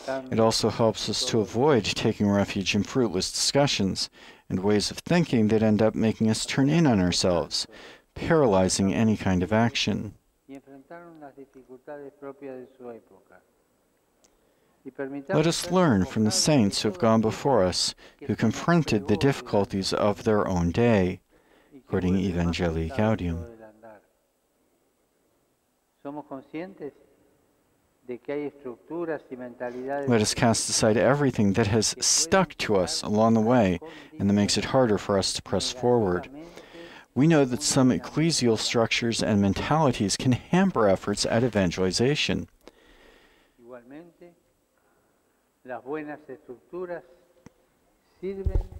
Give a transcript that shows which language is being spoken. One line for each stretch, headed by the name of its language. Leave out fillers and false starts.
English: It also helps us to avoid taking refuge in fruitless discussions and ways of thinking that end up making us turn in on ourselves, paralyzing any kind of action. Let us learn from the saints who have gone before us, who confronted the difficulties of their own day, according Evangelii Gaudium.
Spanish: Somos conscientes de que hay estructuras y mentalidades.
English: Let us cast aside everything that has stuck to us along the way and that makes it harder for us to press forward. We know that some ecclesial structures and mentalities can hamper efforts at evangelization.
Spanish: Igualmente, las buenas estructuras sirven.